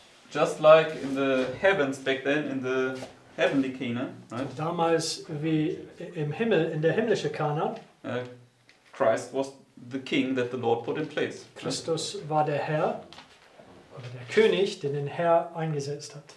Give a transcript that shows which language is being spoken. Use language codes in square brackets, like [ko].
[en] Just like in the heavens back then in the heavenly Canaan, right? [de] Damals wie im Himmel, in der himmlische Kanaan. [en] Christ was the king that the Lord put in place. [de] Christus war der Herr, oder der König, den den Herr eingesetzt hat.